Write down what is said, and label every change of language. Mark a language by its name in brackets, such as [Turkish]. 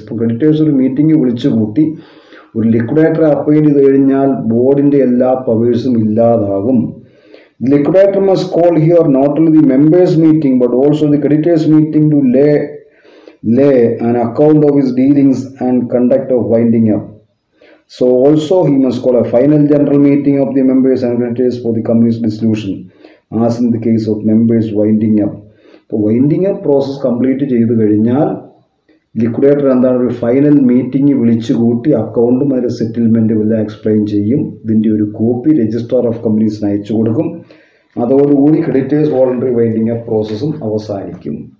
[Malayalam] ഇപ്പോൾ ക്രെഡിറ്റേഴ്സ് ഒരു മീറ്റിംഗ് വിളിച്ചു കൂട്ടി ഒരു ലിക്വിഡേറ്റർ അപ്പോയിൻ്റ് ചെയ്ത് കഴിഞ്ഞാൽ ബോർഡിൻ്റെ എല്ലാ പവേഴ്സും ഇല്ലാതാകും. [English] Liquidator must call here not only the members meeting but also the creditors meeting to lay an account of his dealings and conduct of winding up. So also he must call a final general meeting of the members and creditors for the company's dissolution as in the case of members winding up. [Malayalam] So winding up process complete ചെയ്തു കഴിഞ്ഞാൽ liquidator എന്താണ് ഒരു final meeting വിളിച്ചു കൂട്ടി അക്കൗണ്ടുമായി settlement എല്ലാം explain ചെയ്യും. ഇതിൻ്റെ ഒരു കോപ്പി രജിസ്ട്രാർ ഓഫ് കമ്പനീസിന് അയച്ചു കൊടുക്കും. അതോടുകൂടി ക്രെഡിറ്റേഴ്സ് വോളണ്ടറി വൈൻഡിങ് അപ്പ് പ്രോസസ്സും അവസാനിക്കും.